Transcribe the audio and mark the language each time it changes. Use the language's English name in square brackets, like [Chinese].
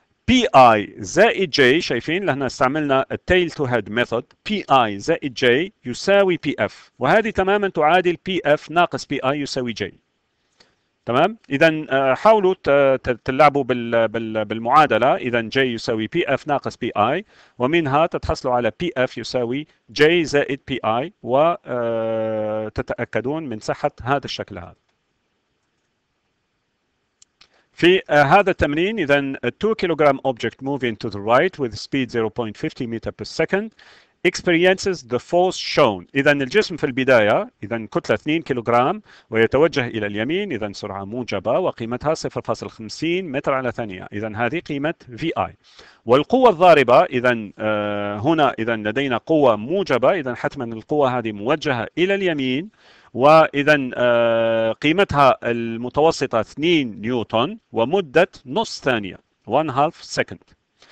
[Arabic] PI زائد J، شايفين لهنا استعملنا التيل تو هيد ميثود، PI زائد J يساوي PF، وهذه تماما تعادل PF ناقص PI يساوي J. تمام. إذا حاولوا تلعبوا بالمعادلة، إذا جي يساوي بي اف ناقص بي اي، ومنها تتحصلوا على بي اف يساوي جي زائد بي اي، وتتأكدون من صحة هذا الشكل هذا. في هذا التمرين، إذا 2 كيلوغرام [English] object moving to the right with speed 0.50 meter per second experiences the force shown. [Arabic] إذا الجسم في البداية، إذا كتلة 2 كيلوغرام ويتوجه إلى اليمين، إذا سرعة موجبة وقيمتها 0.50 متر على ثانية، إذا هذه قيمة VI. والقوة الضاربة، إذا هنا إذا لدينا قوة موجبة، إذا حتما القوة هذه موجهة إلى اليمين، وإذا قيمتها المتوسطة 2 نيوتن ومدة نص ثانية، 1/2 second.